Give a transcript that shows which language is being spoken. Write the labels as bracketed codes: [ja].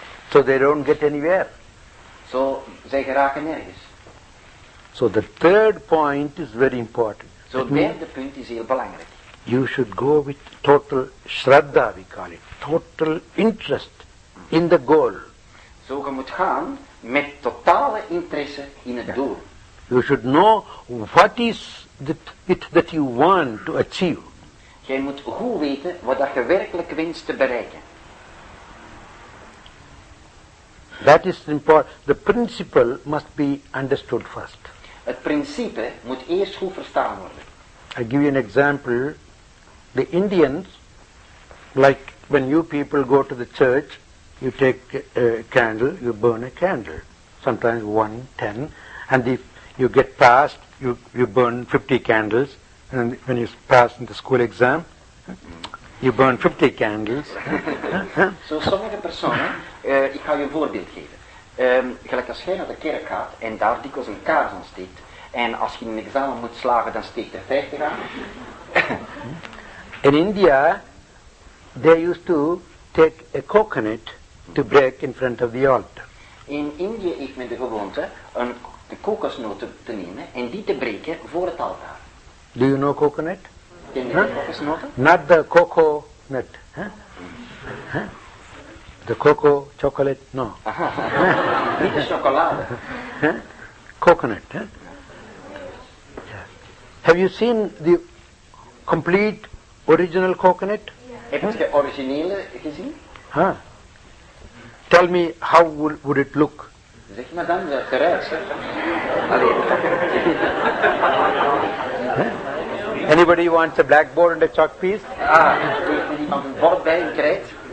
[en] So they don't get anywhere. [nl] So zij geraken nergens. [en] So the third point is very important. [nl] So het derde punt is heel belangrijk. [en] You should go with total shraddha, we call it, total interest in the goal. [nl] Zo je moet gaan met totale interesse in het doel. [en] You should know what is it that you want to achieve. [nl] Jij moet goed weten wat je werkelijk wenst te bereiken. [en] That is important. The principle must be understood first. [nl] Het principe moet eerst goed verstaan worden. [en] I give you an example. The Indians, like when you people go to the church, you take a candle, you burn a candle, sometimes 1, 10, and if you get passed, you burn 50 candles, and when you pass in the school exam, you burn 50 candles. [nl] So sommige personen, ik ga je een voorbeeld geven. Gelijk als jij naar de kerk gaat en daar dikwijls een kaars aan steekt, en als je een examen moet slagen, dan steekt er 50 aan. [en] In India, they used to take a coconut to break in front of the altar. [nl] In India heeft men de gewoonte om de kokosnoot te nemen en die te breken voor het altaar. [en] Do you know coconut? [nl] Ken je de kokosnoot? [en] Not the cocoa nut. The cocoa chocolate? No. [nl] Niet de chocolade. [en] Coconut. Yes. Have you seen the complete original coconut? [nl] Heb je de originele gezien? [en] Tell me, how would it look? [nl] Zeg maar dan, het eruit. [en] Anybody wants a blackboard and a chalk piece? [nl] Een bord bij een krijt.